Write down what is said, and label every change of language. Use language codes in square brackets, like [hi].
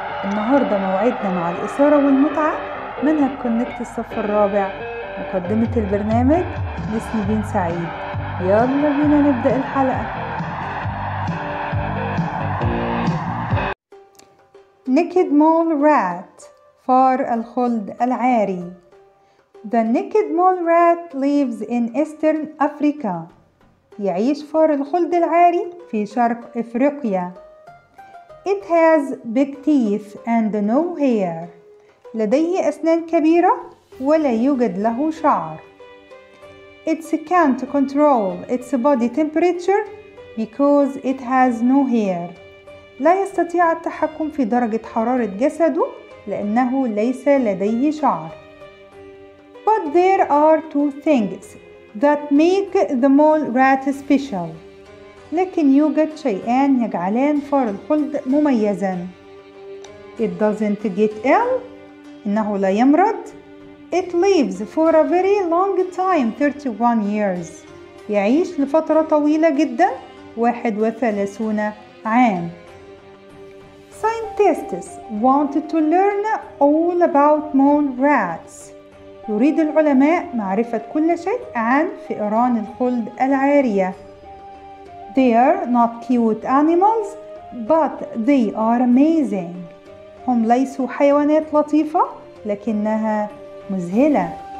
[ar] النهاردة موعدنا مع الإثارة والمتعة، منهج كونكت الصف الرابع. مقدمة البرنامج نسيبين سعيد، يلا بينا نبدأ الحلقة. [en] naked mole rat, [ar] فار الخلد العاري. [en] The naked mole rat lives in eastern Africa. [ar] يعيش فار الخلد العاري في شرق إفريقيا. [en] It has big teeth and no hair. [ar] لديه أسنان كبيرة ولا يوجد له شعر. [en] It can't control its body temperature because it has no hair. [ar] لا يستطيع التحكم في درجة حرارة جسده لأنه ليس لديه شعر. [en] But there are two things that make the mole rat special. [ar] لكن يوجد شيئان يجعلان فار الخلد مميزا. [en] It doesn't get ill. [ar] إنه لا يمرض. [en] It lives for a very long time, 31 years. [ar] يعيش لفترة طويلة جدا، 31 عام. [en] Scientists wanted to learn all about mole rats. [ar] يريد العلماء معرفة كل شيء عن فئران الخلد العارية. [en] They are not cute animals, but they are amazing. [ar] هم ليسوا حيوانات لطيفة، لكنها مذهلة.